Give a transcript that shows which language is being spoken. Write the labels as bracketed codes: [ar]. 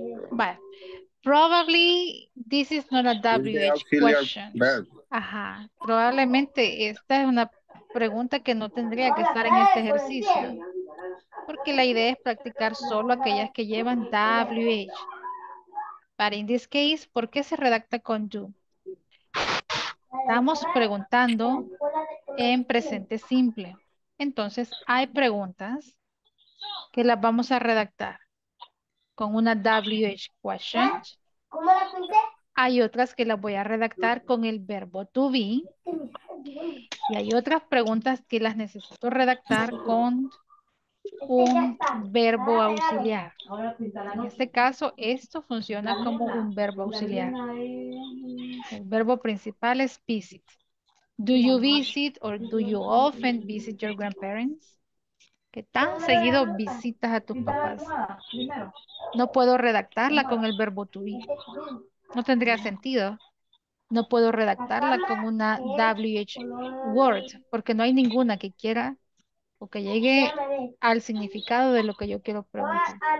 [en] But probably this is not a WH question. Uh-huh. [es] Probablemente esta es una pregunta que no tendría que estar en este ejercicio. Porque la idea es practicar solo aquellas que llevan WH. [en] But in this case, [es] ¿por qué se redacta con do? Estamos preguntando en presente simple. Entonces hay preguntas que las vamos a redactar con una WH question. ¿Cómo la pinté? Hay otras que las voy a redactar con el verbo to be. Y hay otras preguntas que las necesito redactar con un verbo auxiliar. En este caso, esto funciona como un verbo auxiliar. El verbo principal es visit. [en] Do you visit or do you often visit your grandparents? [es] ¿Qué tan seguido visitas a tus papás? No puedo redactarla con el verbo to be. No tendría sentido. No puedo redactarla con una WH word, porque no hay ninguna que quiera o que llegue al significado de lo que yo quiero preguntar.